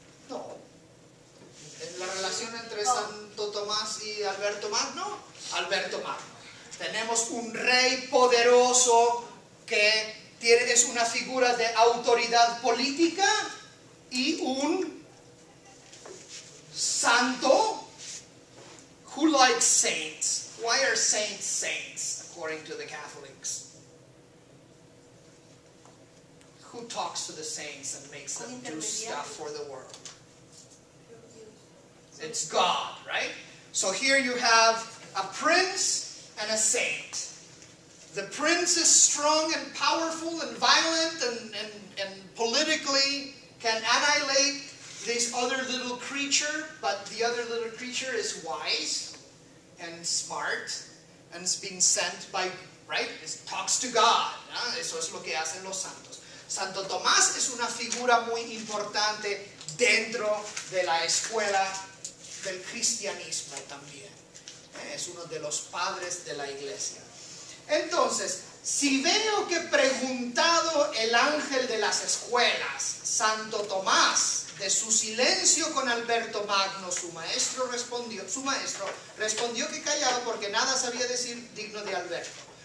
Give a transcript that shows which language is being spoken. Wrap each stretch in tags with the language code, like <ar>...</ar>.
<es>No. ¿En la relación entre Santo Tomás y Alberto Magno? Alberto Magno. Tenemos un rey poderoso que tiene, es una figura de autoridad política, y un santo.</es> <en>Who likes saints? Why are saints saints, according to the Catholics? Who talks to the saints and makes them do stuff for the world? It's God, right? So here you have a prince and a saint. The prince is strong and powerful and violent and politically can annihilate this other little creature, but the other little creature is wise and smart and has been sent by, right? It talks to God.</en> <es>¿No? Eso es lo que hacen los santos. Santo Tomás es una figura muy importante dentro de la escuela del cristianismo también. Es uno de los padres de la iglesia. Entonces, si veo que preguntado el ángel de las escuelas, Santo Tomás, de su silencio con Alberto Magno, su maestro respondió que callaba porque nada sabía decir digno de Alberto.</es>